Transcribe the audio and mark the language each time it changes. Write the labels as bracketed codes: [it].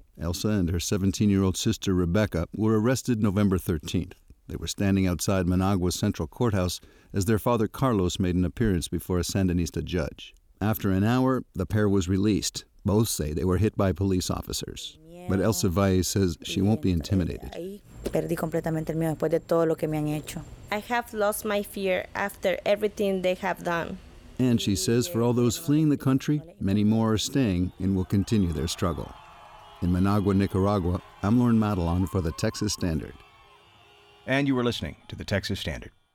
[en] Elsa and her 17-year-old sister Rebecca were arrested November 13th. They were standing outside Managua's Central Courthouse as their father Carlos made an appearance before a Sandinista judge. After an hour, the pair was released. Both say they were hit by police officers. But Elsa Valle says she won't be intimidated. [es] Perdí completamente el miedo después de todo lo que me han hecho. [en] I have lost my fear after everything they have done. And she says for all those fleeing the country, many more are staying and will continue their struggle. In Managua, Nicaragua, I'm Lauren Madelon for the Texas Standard. And you are listening to the Texas Standard.